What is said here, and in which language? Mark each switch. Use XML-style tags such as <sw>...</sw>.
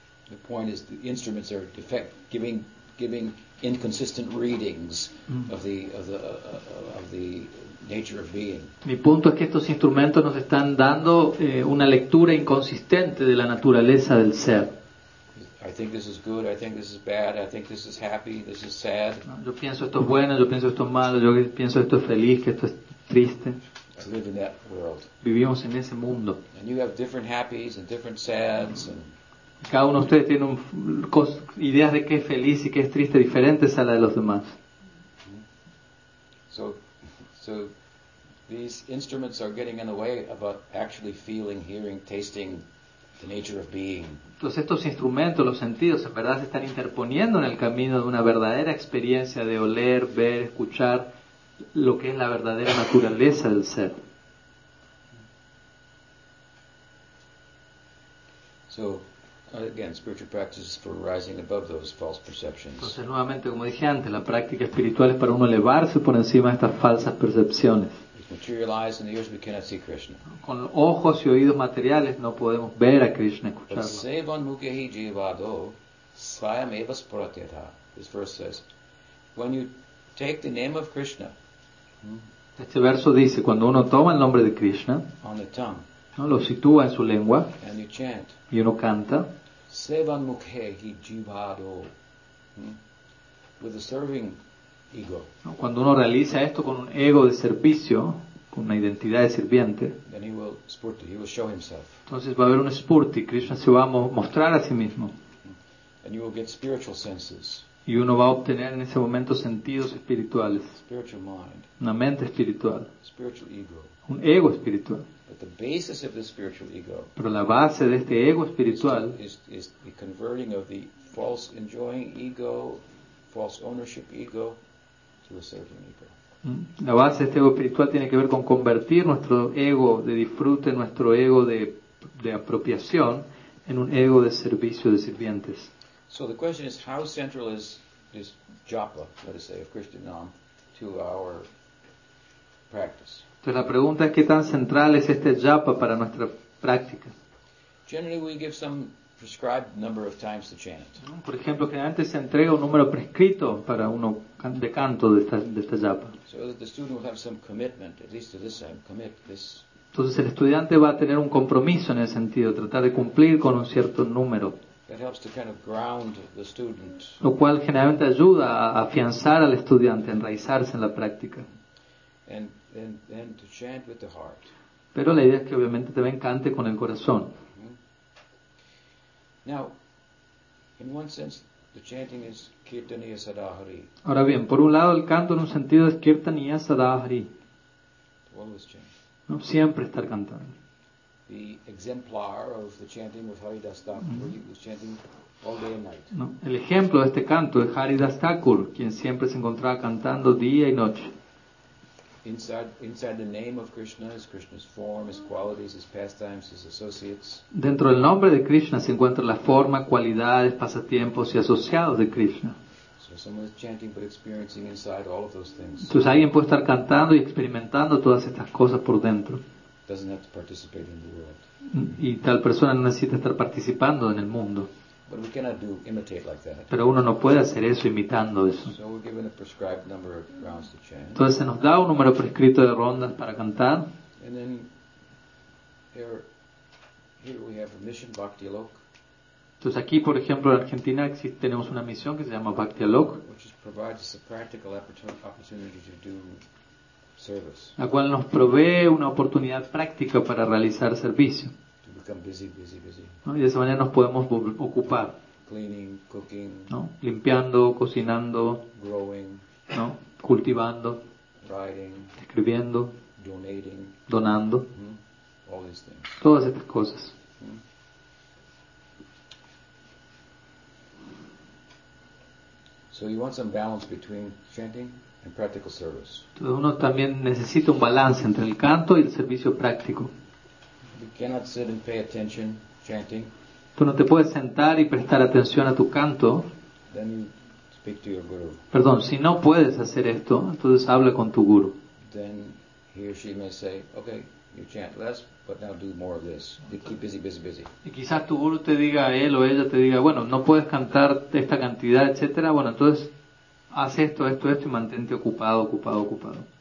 <en>The point is the instruments are defect, giving inconsistent readings of the nature of being.</en> <es>Mi punto es que estos instrumentos nos están dando una lectura inconsistente de la naturaleza del ser.</es> <en>I think this is good, I think this is bad, I think this is happy, this is sad.</en> <es>No, yo pienso esto es bueno, yo pienso esto es malo, yo pienso esto es feliz, que esto es triste.</es> <en>I live in that world.</en> <es>Vivimos en ese mundo.</es> <en>And you have different happies and different sads and</en> <es>cada uno de ustedes tiene ideas de qué es feliz y qué es triste diferentes a la de los demás.</es> <en>So these instruments are getting in the way about actually feeling, hearing, tasting the nature of being.</en> <es>Entonces estos instrumentos, los sentidos, en verdad se están interponiendo en el camino de una verdadera experiencia de oler, ver, escuchar lo que es la verdadera naturaleza del ser.</es> <en>So again, spiritual practice is for rising above those false perceptions.</en> <es>Entonces, nuevamente, como dije antes, la práctica espiritual es para uno elevarse por encima de estas falsas percepciones.</es> <en>Materialized in the ears, we cannot see Krishna.</en> <es>Con ojos y oídos materiales no podemos ver a Krishna, escucharlo.</es> <sa>But sevan mukhehi jivado svayam eva sprateta.</sa> <en>This verse says, when you take the name of Krishna,</en> <es>este verso dice, cuando uno toma el nombre de Krishna,</es> <en>on the tongue,</en> <es>¿no? Lo sitúa en su lengua</es> <en>and you chant,</en> <es>y uno canta</es> <sa>Sevan mukhehi jivado,</sa> <en>with a serving ego,</en> <es>¿no? Cuando uno realiza esto con un ego de servicio, con una identidad de sirviente,</es> <en>then he will spurti, he will show himself.</en> <es>Entonces va a haber un spurti, Krishna se va a mostrar a sí mismo,</es> <en>and you will get spiritual senses,</en> <es>y uno va a obtener en ese momento sentidos espirituales,</es> <en>spiritual mind,</en> <es>una mente espiritual,</es> <en>spiritual ego,</en> <es>un ego espiritual.</es> <en>But the basis of this spiritual ego,</en> <es>pero la base de este ego espiritual,</es> <en>is the converting of the false enjoying ego, false ownership ego, to a serving ego.</en> <es>La base de este ego espiritual tiene que ver con convertir nuestro ego de disfrute, nuestro ego de apropiación, en un ego de servicio, de sirvientes.</es> <en>So the question is, how central is japa, let us say, of Krishna Nam, to our practice?</en> <es>Entonces la pregunta es, ¿qué tan central es este japa para nuestra práctica?</es> <en>Generally we give some prescribed number of times to chant.</en> <es>Por ejemplo, generalmente se entrega un número prescrito para uno de canto de esta japa.</es> <en>So that the student will have some commitment, at least to this time, commit this.</en> <es>Entonces el estudiante va a tener un compromiso en ese sentido, tratar de cumplir con un cierto número.</es> <en>That helps to kind of ground the student.</en> <es>Lo cual generalmente ayuda a afianzar al estudiante, a enraizarse en la práctica.</es> <en>And to chant with the heart.</en> <es>Pero la idea es que obviamente también cante con el corazón.</es> <en>Now, in one sense, the chanting is</en> <sa>kirtaniya sadahari.</sa> <es>Ahora bien, por un lado el canto en un sentido es</es> <sa>kirtaniya sadahari.</sa> <en>Always chant.</en> <es>No, siempre estar cantando.</es> <en>The exemplar of the chanting was Haridas Thakur, he was chanting all day and night.</en> <es>No, el ejemplo de este canto es Haridas Thakur, quien siempre se encontraba cantando día y noche.</es> <en>Inside the name of Krishna is Krishna's form, his qualities, his pastimes, his associates.</en> <es>Dentro del nombre de Krishna se encuentra la forma, cualidades, pasatiempos y asociados de Krishna.</es> <en>So someone is chanting but experiencing inside all of those things.</en> <es>Entonces alguien puede estar cantando y experimentando todas estas cosas por dentro.</es> <en>Doesn't have to participate in the world.</en> <es>Y tal persona no necesita estar participando en el mundo.</es> <en>But we cannot do imitate like that.</en> <es>Pero uno no puede hacer eso imitando eso.</es> <en>So we're given a prescribed number of rounds to chant.</en> <es>Entonces se nos da un número prescrito de rondas para cantar.</es> <en>And then here we have a mission, Bhakti Lok.</en> <es>Entonces aquí, por ejemplo, en Argentina tenemos una misión que se llama Bhakti Lok,</es> <en>which provides us a practical opportunity to do service.</en> <es>La cual nos provee una oportunidad práctica para realizar servicio.</es> <en>Busy.</en> <es>¿No? Y de esa manera nos podemos ocupar.</es> <en>Cleaning, cooking,</en> <es>¿no? Limpiando, cocinando,</es> <en>growing,</en> <es>¿no? Cultivando,</es> <en>writing,</en> <es>escribiendo,</es> <en>donating,</en> <es>donando,</es> <en>all these things.</en> <es>Todas estas cosas. Mm-hmm.</es> <en>So you want some balance between chanting and practical service.</en> <es>Entonces uno también necesita un balance entre el canto y el servicio práctico.</es> <en>You cannot sit and pay attention chanting.</en> <es>Tú no te puedes sentar y prestar atención a tu canto.</es> <en>Then speak to your guru.</en> <es>Perdón, si no puedes hacer esto, entonces habla con tu guru.</es> <en>Then he or she may say, okay, you chant less, but now do more of this. You keep busy, busy, busy.</en> <es>Y quizás tu guru te diga, él o ella te diga, bueno, no puedes cantar esta cantidad, etcétera. Bueno, entonces haz esto, esto, esto y mantente ocupado, ocupado, ocupado.</es>